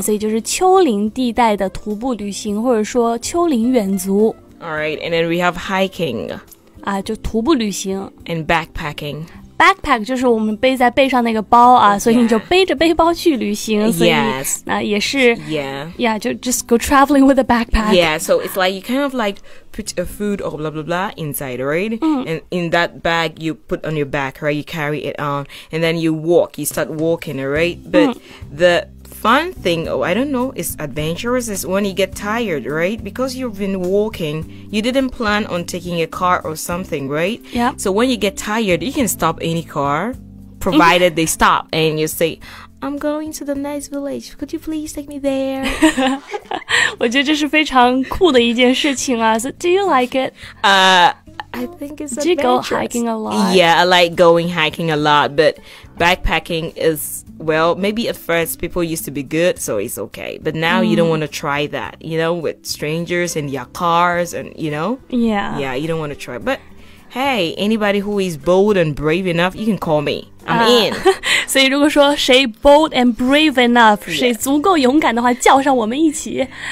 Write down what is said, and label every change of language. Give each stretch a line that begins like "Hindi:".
Chinese: 所以就是丘陵地带的徒步旅行或者说丘陵远足。
English: All right, and then we have hiking.
Chinese: 就徒步旅行。
English: And backpacking.
Chinese: Backpack 就是我们背在背上那个包啊、
English: yeah.
Chinese: 所以你就背着背包去旅行
English: Yes
Chinese: 那也是
English: Yeah Yeah, 就 just go traveling with a backpack Yeah, so it's like you kind of like put a food or blah blah blah inside, right?、 Mm-hmm. And in that bag you put on your back, right? You carry it on and then you walk, you start walking, right? But、mm-hmm. the fun thing, oh, I don't know, is adventurous is when you get tired, right? Because you've been walking, you didn't plan on taking a car or something, right? Yeah. So when you get tired, you can stop any car, provided、mm-hmm. they stop and you say, I'm going to the next village, could you please take me there?
Chinese: 我觉得这是非常酷的一件事情啊。
English: So, do you like it? I think it's adventurous. Do you go hiking a lot? Yeah, I like going hiking a lot, but backpacking is... Well, maybe at first people used to be good, so it's okay. But now、mm. you don't want to try that, you know, with strangers and your cars and, you know? Yeah. Yeah, you don't want to try. But hey, anybody who is bold and brave enough, you can call me. I'm in.
Chinese: 所以如果说谁
English: bold and brave enough,、yeah.
Chinese: 谁足够勇敢的话叫上我们一起。